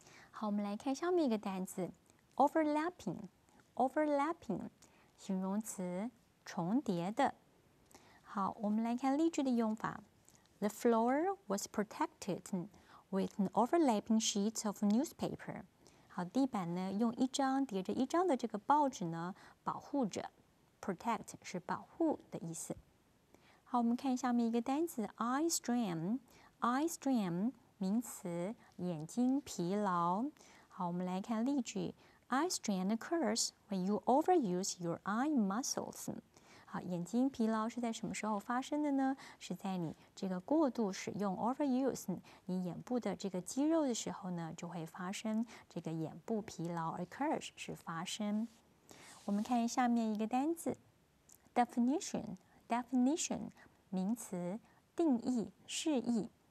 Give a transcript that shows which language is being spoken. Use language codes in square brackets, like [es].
[zh] 好，我们来看下面一个单字。 Overlapping形容词，重叠的。好，我们来看例句的用法。 [en] The floor was protected with an overlapping sheet of newspaper. [zh] 好，地板呢用一张叠着一张的这个报纸呢保护着。 Protect 是保护的意思。好，我们看下面一个单词。 Eye strain eye strain 名词，眼睛疲劳。好，我们来看例句。 [en] Eye strain occurs when you overuse your eye muscles. [zh] 好，眼睛疲劳是在什么时候发生的呢？是在你这个过度使用 overuse 你眼部的这个肌肉的时候呢，就会发生这个眼部疲劳 occurs 是发生。我们看下面一个单字 definition 名词，定义、释义。